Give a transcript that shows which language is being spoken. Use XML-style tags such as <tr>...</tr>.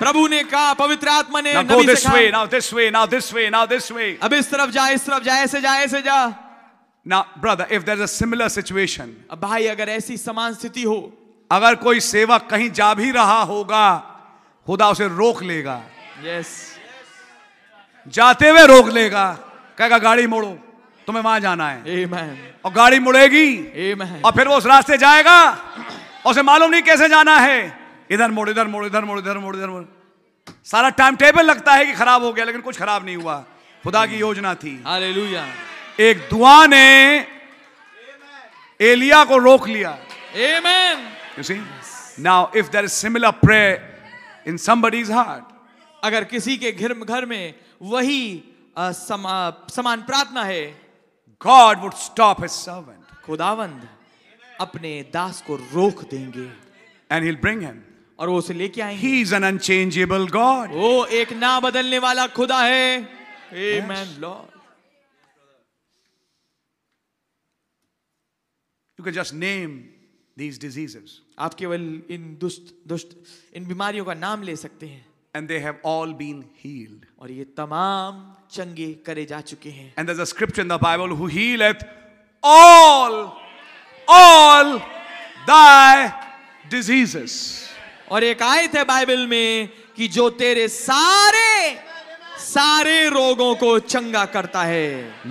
<hi>प्रभु ने कहा, पवित्र आत्मा ने नबी से कहा.</hi> <en>Now go this way. Now this way. Now this way. Now this way.</en> <hi>अब इस तरफ जा, इस तरफ जा, ऐसे जा, ऐसे जा.</hi> <en>Now, brother, if there's a similar situation.</en> <hi>अब भाई अगर ऐसी समान स्थिति हो. अगर कोई सेवक कहीं जा भी रहा होगा, खुदा उसे रोक लेगा.</hi> <en>Yes.</en> <hi>जाते हुए रोक लेगा, कहेगा गाड़ी मोड़ो, तुम्हें वहां जाना है.</hi> <en>Amen.</en> <hi>और गाड़ी मुड़ेगी.</hi> <en>Amen.</en> <hi>और फिर वो उस रास्ते जाएगा, उसे मालूम नहीं कैसे जाना है. इधर मोड़, इधर मोड़, इधर मोड़, इधर मोड़, इधर मोड़. सारा टाइम टेबल लगता है कि खराब हो गया, लेकिन कुछ खराब नहीं हुआ. खुदा की योजना थी. हालेलुया. एक दुआ ने एलिया को रोक लिया.</hi> <en>Amen. You see? Yes. Now, if there is similar prayer in somebody's heart,</en> <hi>अगर किसी के घर में वही समान प्रार्थना है,</hi> <en>God would stop his servant.</en> <hi>खुदावंद अपने दास को रोक देंगे.</hi> <en>And he'll bring him.</en> <hi>और वो उसे लेके आएंगे.</hi> <en>He is an unchangeable God.</en> <hi>वो एक ना बदलने वाला खुदा है.</hi> <en>Amen, yes. Lord. You can just name. These diseases.</en> <hi>आप केवल इन दुष्ट इन बीमारियों का नाम ले सकते हैं.</hi> <en>And they have all been healed.</en> <hi>और ये तमाम चंगे करे जा चुके हैं.</hi> <en>And there's a scripture in the Bible, who healeth all thy diseases.</en> <hi>और एक आयत है बाइबल में कि जो तेरे सारे रोगों को चंगा करता है.</hi>